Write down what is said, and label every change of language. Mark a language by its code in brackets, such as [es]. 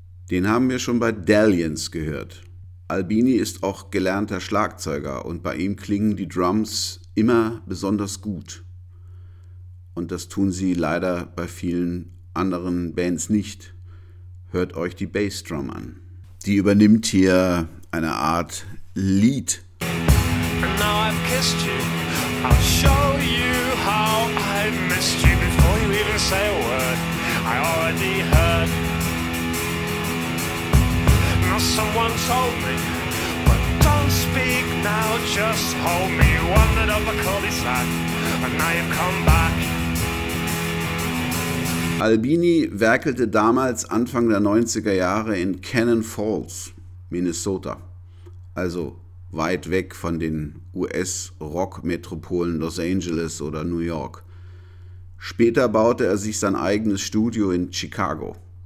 [de] Den haben wir schon bei Dalliance gehört. Albini ist auch gelernter Schlagzeuger und bei ihm klingen die Drums immer besonders gut. Und das tun sie leider bei vielen anderen Bands nicht. hört euch die Bassdrum an. Die übernimmt hier eine Art Lead. [en] And now I've kissed you, I'll show you how I missed you. Before you even say a word, I already heard. Now someone told me, but don't speak now, just hold me. You wandered up a cul-de-sac, and now you've come back. [de] Albini werkelte damals Anfang der 90er Jahre in Cannon Falls, Minnesota, also weit weg von den US-Rock-Metropolen Los Angeles oder New York. Später baute er sich sein eigenes Studio in Chicago.